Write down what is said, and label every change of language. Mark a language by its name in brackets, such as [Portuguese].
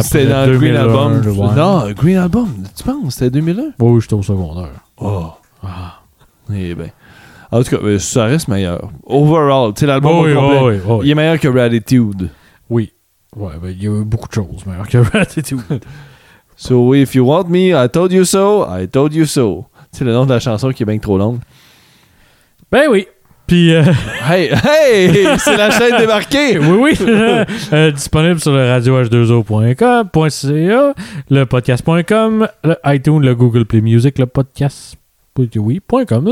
[French] C'était dans le Green Album. Non, Green Album, tu penses, c'était 2001? Oui, j'étais au secondaire. Oh. Ah. Eh ben. En tout cas, ça reste meilleur. Overall, tu sais, l'album Oui. Il est meilleur que Ratitude. Oui. Ouais, ben, il y a beaucoup de choses meilleures que Ratitude. [English] So, if you want me, I told you so, I told you so. [French] C'est le nom de la chanson qui est bien trop longue. Ben oui. Puis Hey! C'est la chaîne Débarquée! Oui. Disponible sur le radioh2o.com.ca, le podcast.com, le iTunes, le Google Play Music, le podcast. Oui, .com.